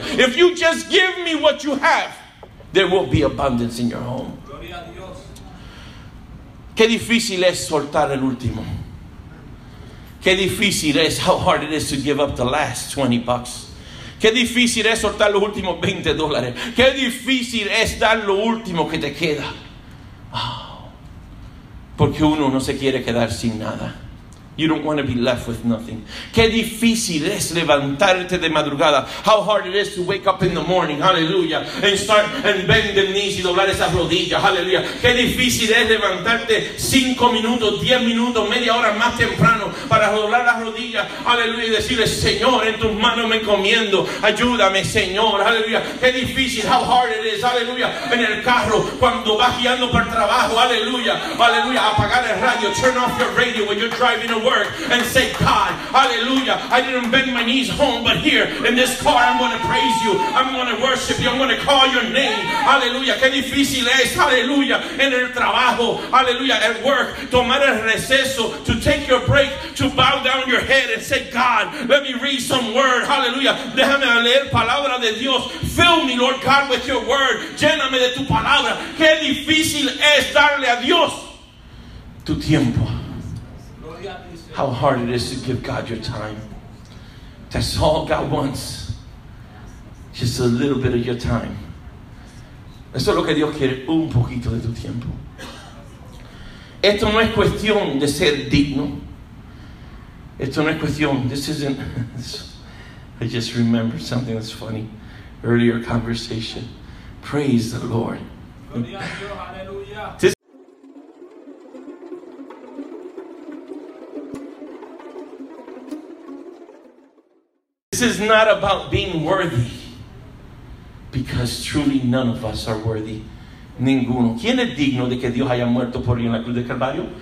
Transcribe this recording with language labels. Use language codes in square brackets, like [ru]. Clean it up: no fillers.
[en] If you just give me what you have, there will be abundance in your home. [es] Qué difícil es soltar el último. Qué difícil es, [en] how hard it is to give up the last 20 bucks. [es] Qué difícil es soltar los últimos $20. Qué difícil es dar lo último que te queda. Oh, porque uno no se quiere quedar sin nada. [en] You don't want to be left with nothing. [es] Qué difícil es levantarte de madrugada. [en] How hard it is to wake up in the morning. Hallelujah. And start and bend the knees [es] y doblar esas rodillas. [en] Hallelujah. [es] Qué difícil es levantarte 5 minutos, 10 minutos, media hora más temprano para doblar las rodillas. Hallelujah. Y decirle, Señor, en tus manos me encomiendo. Ayúdame, Señor. Hallelujah. Qué difícil. [en] How hard it is. [es] Hallelujah. En el carro, cuando vas guiando para el trabajo. Hallelujah. Hallelujah. Apagar el radio. [en] Turn off your radio when you're driving work and say, God, hallelujah, I didn't bend my knees home, but here in this car, I'm going to praise you. I'm going to worship you. I'm going to call your name. Hallelujah. [es] Qué difícil es, [en] hallelujah, [es] en el trabajo, [en] hallelujah, at work, [es] tomar el receso, [en] to take your break, to bow down your head and say, God, let me read some word. Hallelujah. [es] Déjame leer palabra de Dios. [en] Fill me, Lord God, with your word. Lléname de tu palabra. [es] Qué difícil es darle a Dios tu tiempo. [en] How hard it is to give God your time. That's all God wants. Just a little bit of your time. [es] Eso es lo que Dios quiere. Un poquito de tu tiempo. Esto no es cuestión de ser digno. Esto no es cuestión. [en] This isn't. I just remembered something that's funny. Earlier conversation. Praise the Lord. Hallelujah. This is not about being worthy, because truly none of us are worthy. [es] Ninguno. ¿Quién es digno de que Dios haya muerto por ti en la cruz de Calvario?